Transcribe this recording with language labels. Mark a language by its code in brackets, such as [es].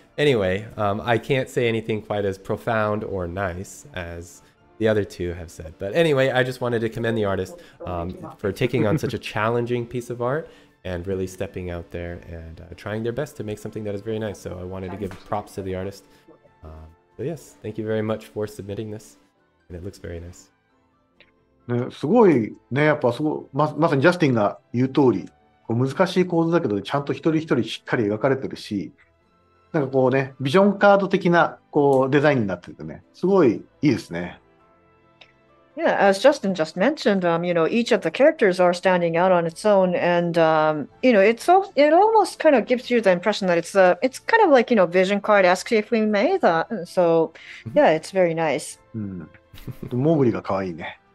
[en] Anyway, I can't say anything quite as profound or nice as the other two have said. But anyway, I just wanted to commend the artist for taking on such a challenging piece of art and really stepping out there and trying their best to make something that is very nice. So I wanted to give props to the artist. So yes, thank you very much for submitting this. And it looks very nice. [ja] すごいね、やっぱすごい、まさにジャスティンが言う通り、 難しい構図だけど、ちゃんと一人一人しっかり描かれてるし、なんかこうね、ビジョンカード的なこうデザインになっててね、すごいいいですね。 [en] Yeah, as Justin just mentioned, you know, each of the characters are standing out on its own, and you know, it's all, it almost kind of gives you the impression that it's kind of like, you know, vision card-esque if we made that. So, yeah, it's very nice. [ja] モグリが可愛いね。